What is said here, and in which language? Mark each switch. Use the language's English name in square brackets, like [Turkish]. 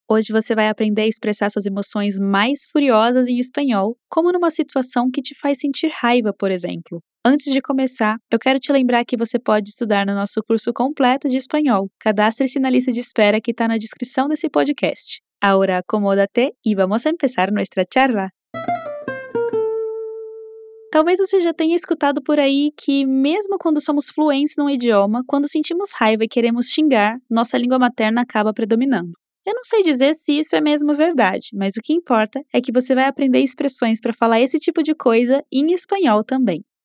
[Portuguese] Hoje você vai aprender a expressar suas emoções mais furiosas em espanhol, como numa situação que te faz sentir raiva, por exemplo. Antes de começar, eu quero te lembrar que você pode estudar no nosso curso completo de espanhol. Cadastre-se na lista de espera que está na descrição desse podcast. [Spanish] Ahora acomódate y vamos a empezar nuestra charla. [Portuguese] Talvez você já tenha escutado por aí que, mesmo quando somos fluentes num idioma, quando sentimos raiva e queremos xingar, nossa língua materna acaba predominando. Eu não sei dizer se isso é mesmo verdade, mas o que importa é que você vai aprender expressões para falar esse tipo de coisa em espanhol também.